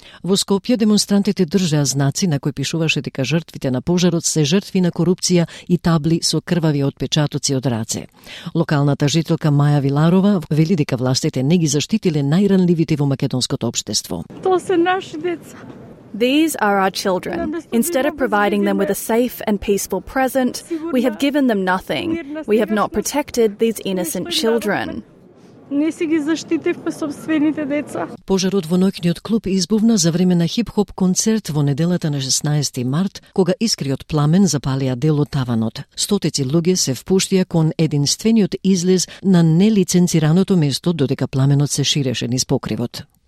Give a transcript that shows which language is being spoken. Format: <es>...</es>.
<mk>Во Скопје демонстрантите држеа знаци на кои пишуваше дека жртвите на пожарот се жртви на корупција и табли со крвави отпечатоци од раце. Локалната жителка Маја Виларова вели дека властите не ги заштитиле најранливите во македонското општество. Тоа се наши деца.</mk> <en>These are our children. Instead of providing them with a safe and peaceful present, we have given them nothing. We have not protected these innocent children.</en> <mk>Не си ги заштитивме собствените деца. Пожарот во ноќниот клуб избувна за време на хип-хоп концерт во неделата на 16 март, кога искриот пламен запалија дел од таванот. Стотици луѓе се впуштија кон единствениот излез на нелиценцираното место додека пламенот се ширеше низ покривот.</mk>